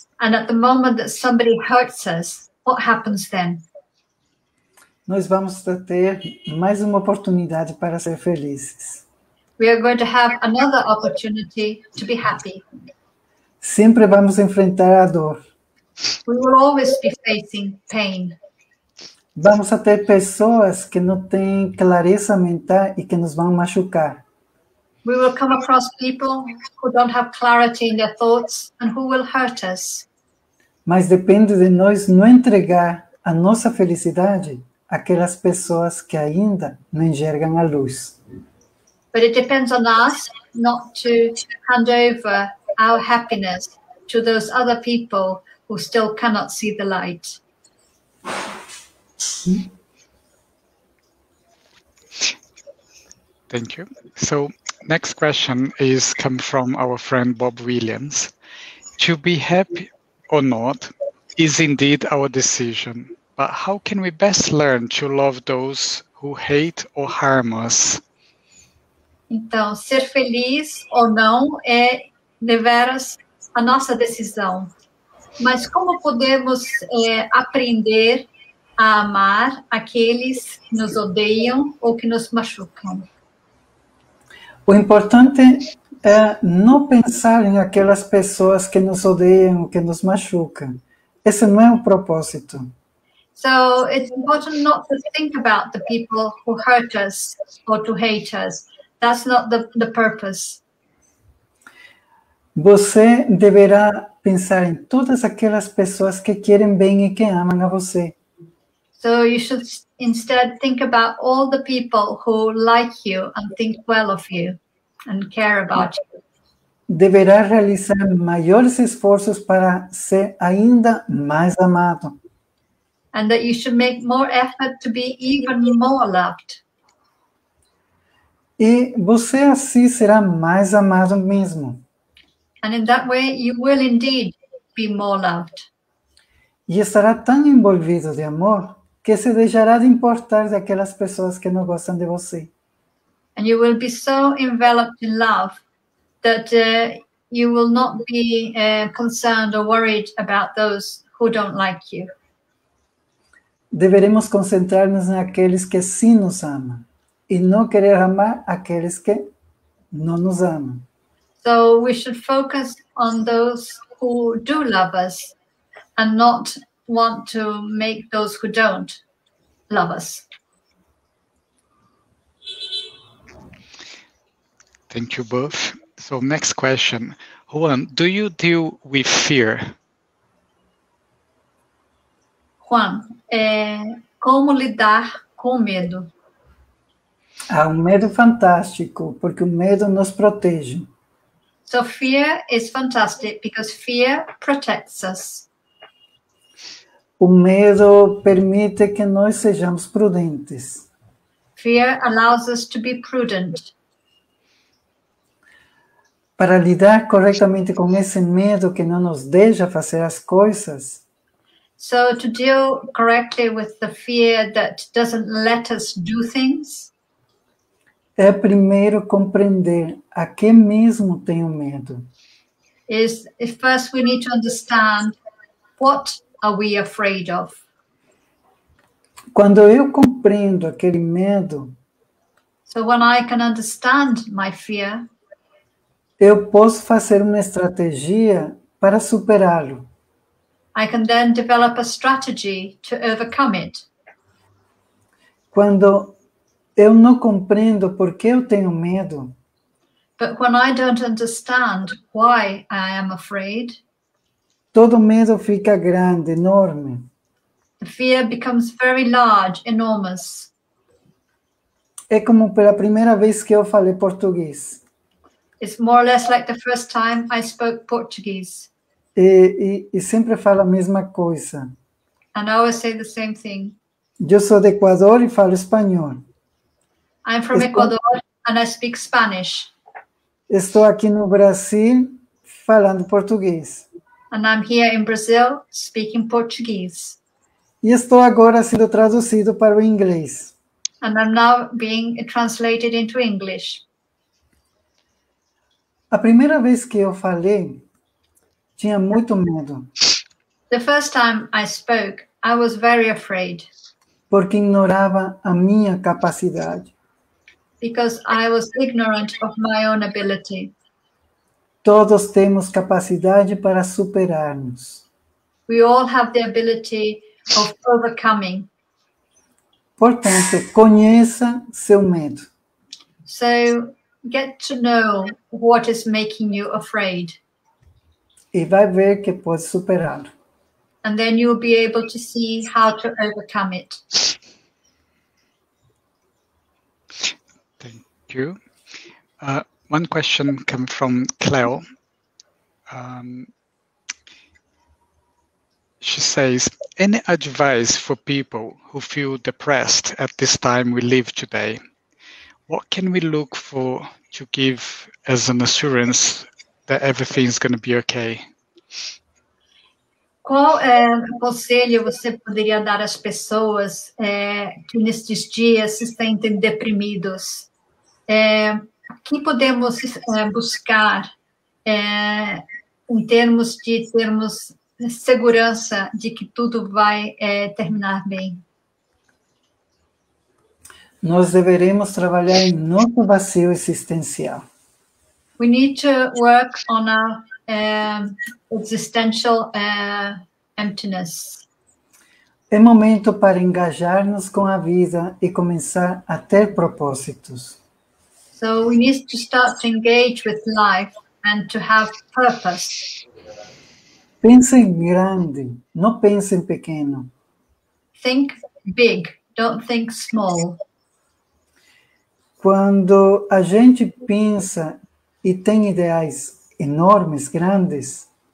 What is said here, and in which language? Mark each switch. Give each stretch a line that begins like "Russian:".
English: And at the moment that somebody hurts us, what happens then?
Portuguese: Nós vamos ter mais uma oportunidade para ser felizes.
English: We are going to have another opportunity to be happy.
Portuguese: Sempre vamos enfrentar a dor.
English: We will always be facing pain.
Portuguese: Vamos a ter pessoas que não têm clareza mental e que nos vão machucar.
English: We will come across people who don't have clarity in their thoughts and who will hurt us.
Portuguese: Mas depende de nós não entregar a nossa felicidade àquelas pessoas que ainda não enxergam a luz.
English: But it depends on us not to hand over our happiness to those other people who still cannot see the light. Thank you. So, next question is come from our friend Bob Williams. To be happy or not is indeed our decision. But how can we best learn to love those who hate or harm us?
Portuguese: Então, ser feliz ou não é deveras a nossa decisão. Mas como podemos aprender a amar aqueles que nos odeiam ou que nos machucam? O importante é não pensar em aquelas pessoas que nos odeiam ou que nos machucam. Esse não é o propósito.
English: So it's important not to think about the people who hurt us or to hate us. That's not the purpose.
Portuguese: Você deverá pensar em todas aquelas pessoas que querem bem e que amam a você.
English: So you should instead think about all the people who like you and think well of you and care about you.
Portuguese: Deverá realizar maiores esforços para ser ainda mais amado.
English: And that you should make more effort to be even more loved.
Portuguese: E você assim será mais amado mesmo.
English: And in that way, you will indeed be more loved.
Portuguese: E estará tão envolvido de amor que se deixará de importar daquelas pessoas que não gostam de você.
English: And you will be so enveloped in love that you will not be concerned or worried about those who don't like you.
Portuguese: Deveremos concentrar-nos naqueles que sim nos amam e não querer amar aqueles que não nos amam.
English: So we should focus on those who do love us and not want to make those who don't love us. Thank you both. So next question. Juan, do you deal with fear?
Portuguese: Juan, como lidar com o medo? Há um medo fantástico, porque o medo nos protege.
English: So fear is fantastic because fear protects us.
Portuguese: O medo permite que nós sejamos prudentes.
English: Fear allows us to be prudent.
Portuguese: Para lidar corretamente com esse medo que não nos deixa fazer as coisas,
English: so to deal correctly with the fear that doesn't let us do things,
Portuguese: é primeiro compreender a que mesmo tenho medo.
English: Is first we need to understand what are we afraid of.
Portuguese: Quando eu compreendo aquele medo,
English: so when I can understand my fear,
Portuguese: eu posso fazer uma estratégia para superá-lo.
English: I can then develop a strategy to overcome it.
Portuguese: Quando eu não compreendo por que eu tenho medo,
English: But when I don't understand why I am afraid,
Portuguese: todo medo fica grande, enorme.
English: The fear becomes very large, enormous.
Portuguese: É como pela primeira vez que eu falei português.
English: It's more or less like the first time I spoke Portuguese.
Portuguese: E sempre falo a mesma coisa.
English: And I always say the same thing.
Portuguese: Eu sou de Equador e falo espanhol.
English: I'm from Ecuador and I speak Spanish.
Portuguese: Estou aqui no Brasil falando português.
English: And I'm here in Brazil speaking Portuguese.
Portuguese: E estou agora sendo traduzido para o inglês.
English: And I'm now being translated into English.
Portuguese: A primeira vez que eu falei, tinha muito medo.
English: The first time I spoke, I was very afraid.
Portuguese: Porque ignorava a minha capacidade.
English: Because I was ignorant of my own ability.
Portuguese: Todos temos capacidade para superarmos.
English: We all have the ability of overcoming.
Portuguese: Portanto, conheça seu medo.
English: So, get to know what is making you afraid.
Portuguese: E vai ver que pode superá-lo.
English: And then you'll be able to see how to overcome it. Thank you. One question came from Cleo. She says, any advice for people who feel depressed at this time we live today? What can we look for to give as an assurance that everything's going to be okay?
Portuguese: Qual conselho você poderia dar às pessoas que nestes dias se sentem deprimidos? Que podemos buscar em termos de termos segurança de que tudo vai terminar bem? Nós deveremos trabalhar em nosso vazio existencial.
English: We need to work on our existential emptiness.
Portuguese: É momento para engajar-nos com a vida e começar a ter propósitos.
English: So we need to start to engage with life and to have purpose.
Portuguese: Pense em grande, não pense em pequeno.
English: Think big, don't think small.
Portuguese: Quando a gente pensa e tem ideais enormes, grandes,